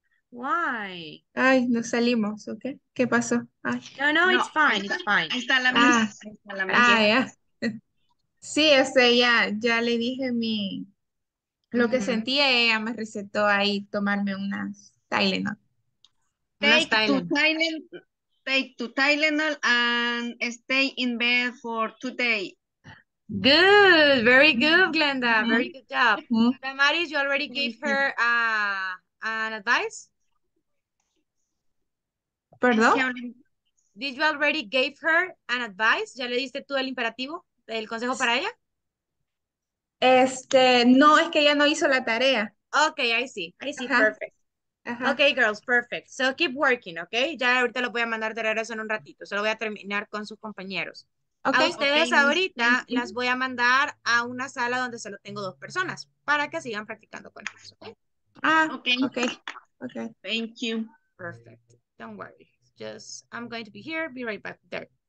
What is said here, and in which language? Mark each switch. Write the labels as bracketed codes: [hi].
[en] Why? [es] Ay, nos salimos, ¿ok? ¿Qué pasó? Ay. [en] No, no, it's fine, it's fine. [es] Ahí está la misma. Sí, ya le dije lo que sentía, ella me recetó ahí tomarme unas Tylenol. [en] Take two Tylenol and stay in bed for 2 days. Good, very good, Glenda. Mm-hmm. Very good job. Mm-hmm. Maris, you already gave her an advice? [es] Perdón. [en] Did you already gave her an advice? [es] ¿Ya le diste tú el imperativo, el consejo para ella? No, es que ella no hizo la tarea. [en] Okay, I see, uh-huh. perfect. Uh-huh. Okay, girls, perfect. So keep working, okay? [es] Ya ahorita lo voy a mandar de regreso en un ratito. Solo voy a terminar con sus compañeros. Okay. A ustedes okay, ahorita las voy a mandar a una sala donde solo tengo dos personas para que sigan practicando con ellos, okay? [en] Okay. Thank you. Perfect. Don't worry, I'm going to be here, be right back there.